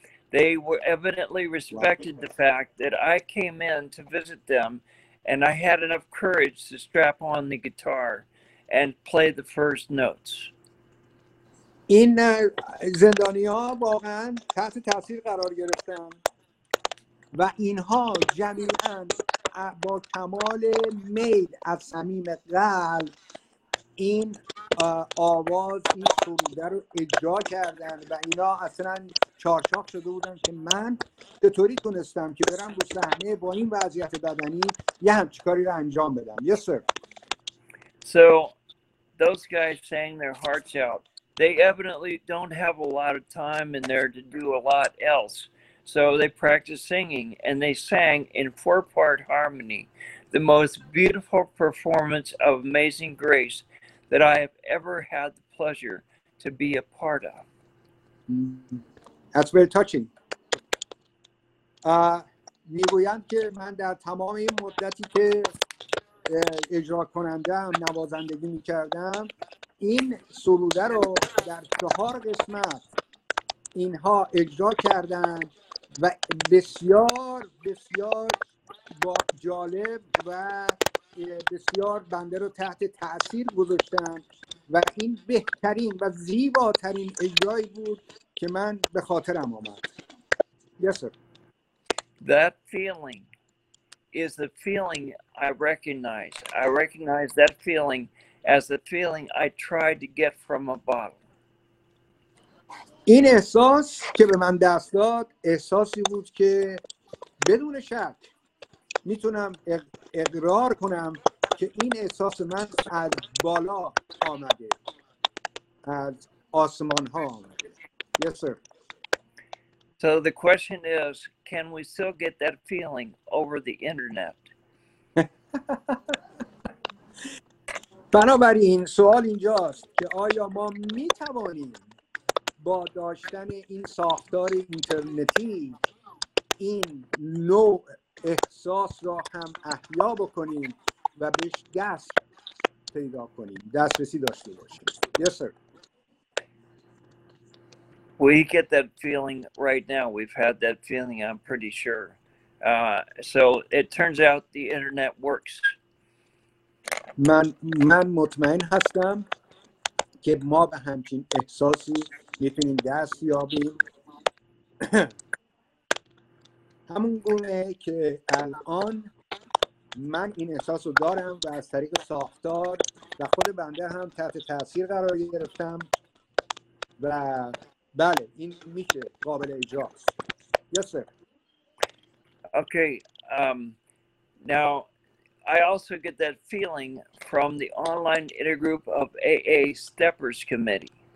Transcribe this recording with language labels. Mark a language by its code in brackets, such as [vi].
[en] They were evidently respected the fact that I came in to visit them and I had enough courage to strap on the guitar and play the first notes. [fa] این زندانی‌ها واقعا تحت تاثیر قرار گرفتن و اینها جمیعاً با کمال میل از صمیم قلب این آواز این سروده رو اجرا کردن و اینا اصلا چارچاق شده بودن که من چطوری تونستم که برم رو صحنه با این وضعیت بدنی یه همچی کاری رو انجام بدم. [en] Yes sir. So those guys sang their hearts out. They evidently don't have a lot of time in there to do a lot else. So they practiced singing and they sang in four-part harmony the most beautiful performance of Amazing Grace that I have ever had the pleasure to be a part of. That's very touching. [fa] میگویند که من در تمام این مدتی که اجرا کنندم نوازندگی میکردم این سروده رو در چهار قسمت اینها اجرا کردند و بسیار بسیار جالب و بسیار بنده رو تحت تأثیر گذاشتن و این بهترین و زیباترین اجرایی بود که من به خاطرم آمد. [en] Yes sir. That feeling is the feeling I recognize. I recognize that feeling as the feeling I tried to get from a bottle. [fa] این احساس که به من دست داد احساسی بود که بدون شک میتونم اقرار کنم که این احساس من از بالا آمده از آسمان ها آمده. [en] Yes sir. So the question is can we still get that feeling over the internet? [fa] بنابراین سوال اینجاست که آیا ما میتوانیم با داشتن این ساختار اینترنتی این نوع احساس را هم احیا بکنیم و بهش دست پیدا کنیم، دسترسی داشته باشیم. [en] Yes, sir. We get that feeling right now. We've had that feeling, I'm pretty sure. So it turns out the internet works. [fa] من مطمئن هستم که ما به همچین احساسی میتونیم دست یابیم. همون گونه که الان من این احساس رو دارم و از طریق ساختار و خود بنده هم تحت تاثیر قرار گرفتم و بله این میشه قابل اجراست. [en] Yes, sir. Okay, now I also get that feeling from the online intergroup of AA Steppers Committee.